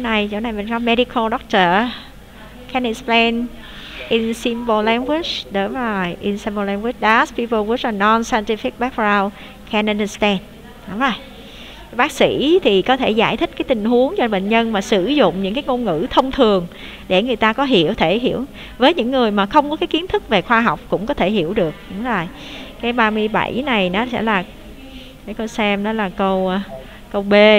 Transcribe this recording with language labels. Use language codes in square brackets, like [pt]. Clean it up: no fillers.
[vi] chỗ này mình ra medical doctor. [en] Can explain in simple language. [vi] Đúng rồi, [en] in simple language that people with a non-scientific background can understand. [vi] Đúng rồi. Bác sĩ thì có thể giải thích cái tình huống cho bệnh nhân mà sử dụng những cái ngôn ngữ thông thường để người ta có hiểu, thể hiểu. Với những người mà không có cái kiến thức về khoa học cũng có thể hiểu được. Đúng rồi. Cái 37 này nó sẽ là, để cô xem, đó là câu B.